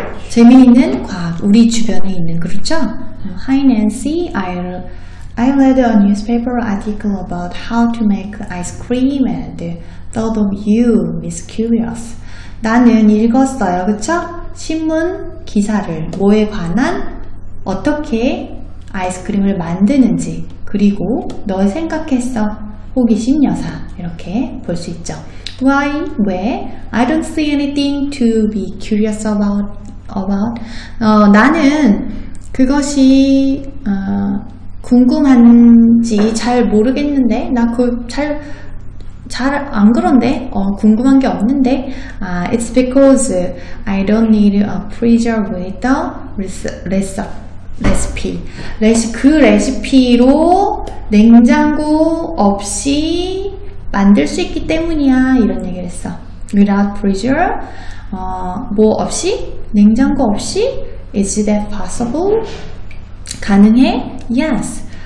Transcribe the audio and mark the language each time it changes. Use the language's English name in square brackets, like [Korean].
[Korean] 재미있는 과학, 우리 주변에 있는 그렇죠? [English] Hi Nancy, I read a newspaper article about how to make ice cream and thought of you, Miss Curious. [Korean] 나는 읽었어요, 그렇죠? 신문 기사를 뭐에 관한 어떻게 아이스크림을 만드는지 그리고 널 생각했어. 호기심 여사 이렇게 볼수 있죠. [English] Why? [Korean] 왜? [English] I don't see anything to be curious about. [Korean] 나는 그것이 궁금한지 잘 모르겠는데, 나그잘안 그런데, 궁금한 게 없는데. [English] It's because I don't need a freezer with the recipe. [Korean] 그 레시피로 냉장고 없이 만들 수 있기 때문이야. 이런 얘기를 했어. [English] Without freezer, [Korean] 뭐 없이? 냉장고 없이? [English] Is that possible? [Korean] 가능해? [English] Yes.